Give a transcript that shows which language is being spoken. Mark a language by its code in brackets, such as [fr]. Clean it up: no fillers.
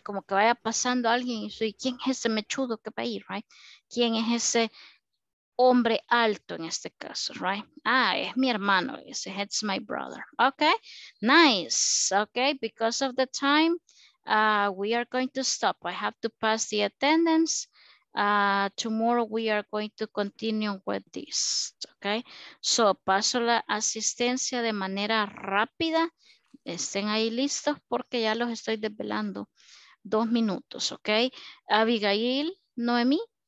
[es] Como que vaya pasando alguien y soy, ¿quién es ese mechudo que va a ir? Right? ¿Quién es ese hombre alto en este caso, right? [en] Ah, [es] es mi hermano, [en] it's my brother. Okay, nice. Okay, because of the time, we are going to stop. I have to pass the attendance. Tomorrow we are going to continue with this. [es] Okay, so paso la asistencia de manera rápida. Estén ahí listos porque ya los estoy desvelando 2 minutos. Okay, Abigail, Noemí.